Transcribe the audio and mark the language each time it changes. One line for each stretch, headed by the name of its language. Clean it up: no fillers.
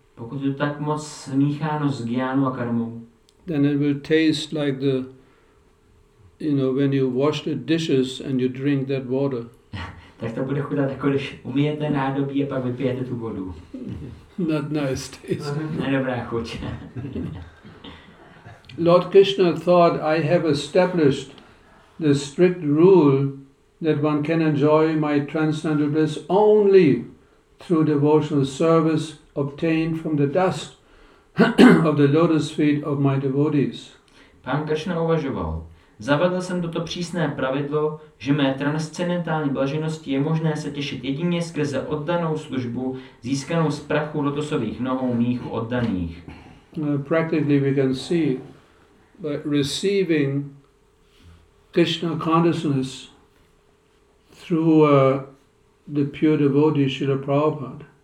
Czech: Pokud je tak moc smícháno s jnanou a karmou.
English: Then it will taste like the, you know, when you wash the dishes and you drink that water.
Czech: Tak to bude chutat, jako když umyjete nádobí a pak vypijete tu vodu.
English: Not nice taste.
Czech: Nedobrá chuť.
English: Lord Krishna thought, I have established the strict rule that one can enjoy my transcendental bliss only through devotional service obtained from the dust of the lotus feet of my devotees.
Czech: Pán Krishna uvažoval, zavedl jsem toto přísné pravidlo, že mé transcendentální blaženosti je možné se těšit jedině skrze oddanou službu získanou z prachu lotosových nohou mých oddaných.
English: Practically we can see by receiving Krishna consciousness through the pure devotee Srila Prabhupada.